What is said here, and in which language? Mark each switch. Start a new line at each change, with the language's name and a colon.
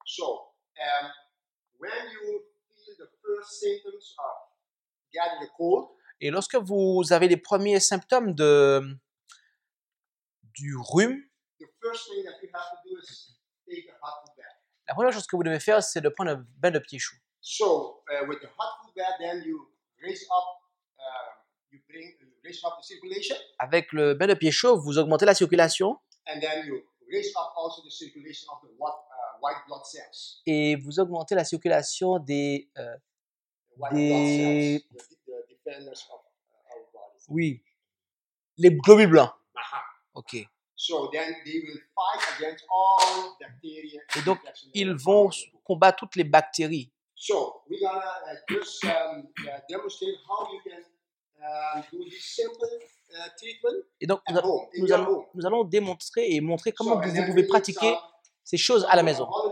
English: So, when you feel the first symptoms of getting the cold.
French: Et lorsque vous avez les premiers symptômes de du rhume.
English: The first thing that you have to do is.
French: La première chose que vous devez faire, c'est de prendre un bain de pieds chauds.
English: So, with the hot food bath, then you raise up, raise up the circulation.
French: Avec le bain de pieds chauds, vous augmentez la circulation.
English: And then you raise up also the circulation of the white blood cells.
French: Et vous augmentez la circulation des
English: defenders of our body.
French: Oui, les globules blancs. Ok.
English: So then they will fight against all bacteria.
French: Et donc ils vont combattre toutes les bactéries.
English: So we gonna just demonstrate how you can do this simple treatment.
French: Et donc nous allons démontrer et montrer comment vous pouvez pratiquer ces choses à la maison.